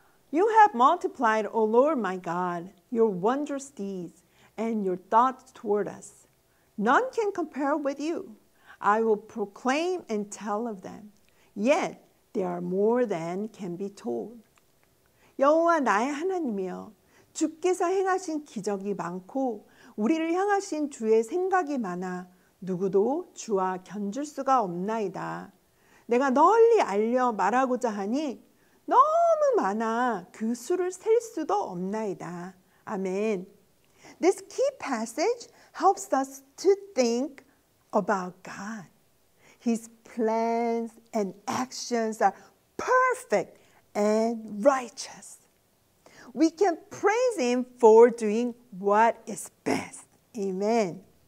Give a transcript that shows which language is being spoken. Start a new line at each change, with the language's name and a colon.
English: You have multiplied, O Lord my God, your wondrous deeds and your thoughts toward us. None can compare with you. I will proclaim and tell of them. Yet they are more than can be told.
Korean: 여호와 나의 하나님이여, 주께서 행하신 기적이 많고 우리를 향하신 주의 생각이 많아 누구도 주와 견줄 수가 없나이다. 내가 널리 알려 말하고자 하니 너무 많아 그 수를 셀 수도 없나이다. 아멘.
English: This key passage helps us to think about God. His plans and actions are perfect and righteous. We can praise him for doing what is best. Amen.